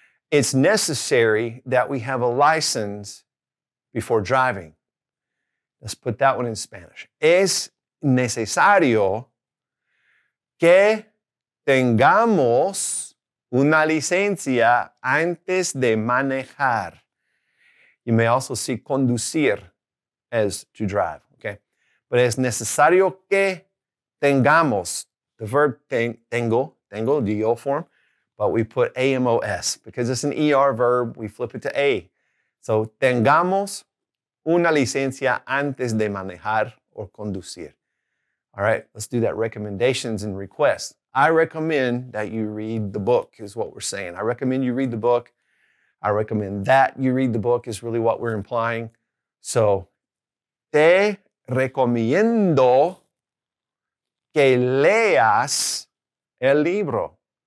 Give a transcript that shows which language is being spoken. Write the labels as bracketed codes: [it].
[en] It's necessary that we have a license before driving. Let's put that one in Spanish. [es] Es necesario que tengamos una licencia antes de manejar. [en] You may also see conducir as to drive, okay? But [es] es necesario que tengamos, [en] the verb tengo, the yo form, but we put AMOS because it's an ER verb, we flip it to A. [es] So tengamos una licencia antes de manejar o conducir. [en] All right, let's do that. Recommendations and requests. I recommend that you read the book is what we're saying. I recommend you read the book. I recommend that you read the book is really what we're implying. [es] So, te recomiendo que leas el libro.